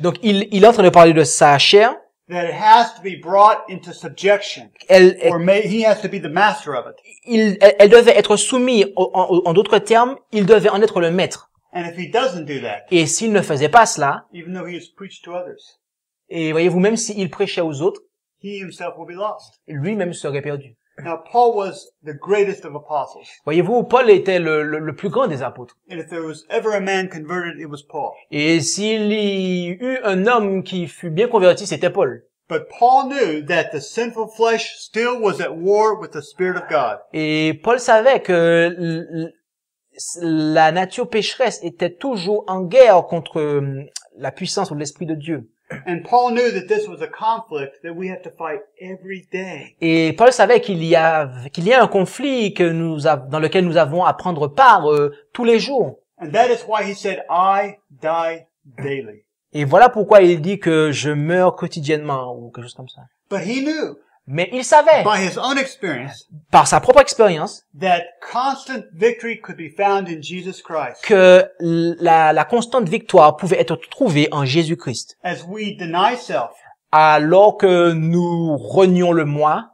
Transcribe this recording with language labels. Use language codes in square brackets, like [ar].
[fr] donc il est en train de parler de sa chair, [en] that it has to be brought into subjection, he has to be the master of it. [fr] Elle devait être soumise, en d'autres termes, il devait en être le maître. [en] And if he doesn't do that, [fr] et s'il ne faisait pas cela, [en] even though he has preached to others, [fr] Et voyez-vous, même s'il prêchait aux autres, [en] he himself will be lost. [fr] Lui-même serait perdu. [en] Now, Paul was the greatest of apostles. [fr] Voyez-vous, Paul était le plus grand des apôtres. [en] And if there was ever a man converted, it was Paul. [fr] Et s'il y eut un homme qui fut bien converti, c'était Paul. [en] But Paul knew that the sinful flesh still was at war with the Spirit of God. [fr] Et Paul savait que la nature pécheresse était toujours en guerre contre la puissance ou l'Esprit de Dieu. [en] And Paul knew that this was a conflict that we have to fight every day. [fr] Et Paul savait qu'il y a un conflit dans lequel nous avons à prendre part tous les jours. [en] And that is why he said, I die daily. [fr] Et voilà pourquoi il dit que je meurs quotidiennement ou quelque chose comme ça. [en] But he knew. [fr] Mais il savait, [en] by his own experience, [fr] par sa propre expérience, [en] that constant victory could be found in Jesus Christ. [fr] Que la constante victoire pouvait être trouvée en Jésus-Christ. [en] As we deny self, [fr] alors que nous renions le moi,